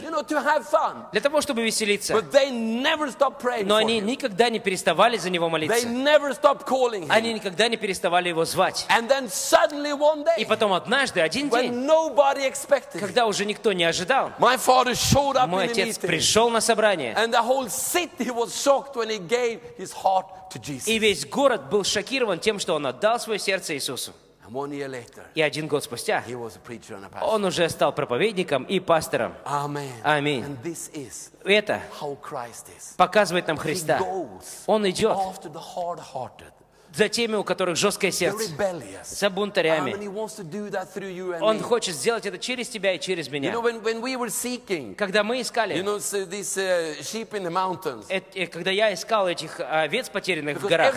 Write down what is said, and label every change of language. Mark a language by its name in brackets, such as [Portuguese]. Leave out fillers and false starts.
[English] you know, to have fun. [Russian] Для того, чтобы веселиться. [English] But they never stopped praying [Russian] Но они [English] for him. [Russian] Никогда не переставали за него молиться. [English] They never stopped calling him. [Russian] Они никогда не переставали его звать. [English] And then suddenly one day, [Russian] и потом однажды, один день, [English] when nobody expected, [Russian] когда уже никто не ожидал, [English] my father showed up [Russian] мой отец [English] in a meeting, [Russian] пришел на собрание. [English] And the whole city was shocked when he gave his heart to Jesus. [Russian] И весь город был шокирован тем, что он отдал свое сердце Иисусу. [English] And one year later, [Russian] и один год спустя, [English] he was a preacher and a pastor. [Russian] Он уже стал проповедником и пастором. Аминь. [English] And this is [Russian] это [English] how Christ is. [Russian] Показывает нам Христа. [English] He goes [Russian] он идет [English] after the hard-hearted. [Russian] За теми, у которых жесткое сердце, за бунтарями. Он хочет сделать это через тебя и через меня. [English] You know, when we were seeking, [Russian] когда мы искали, [English] you know, so this, sheep in the mountains, [Russian] когда я искал этих овец, потерянных в горах,